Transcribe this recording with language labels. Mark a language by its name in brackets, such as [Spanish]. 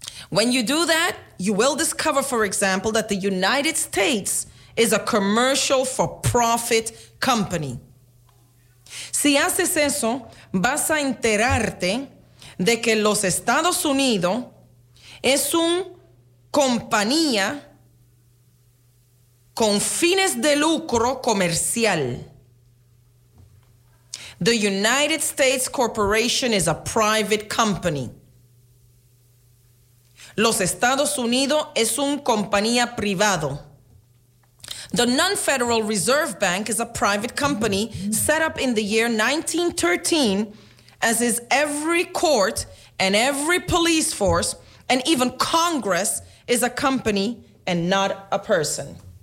[English] When you do that, you will discover, for example, that the United States is a commercial for-profit company. [Spanish] Si haces eso, vas a enterarte de que los Estados Unidos es una compañía con fines de lucro comercial. [English] The United States Corporation is a private company. [Spanish] Los Estados Unidos es un compañía privado. [English] The non-federal Reserve Bank is a private company set up in the year 1913, as is every court and every police force, and even Congress is a company and not a person.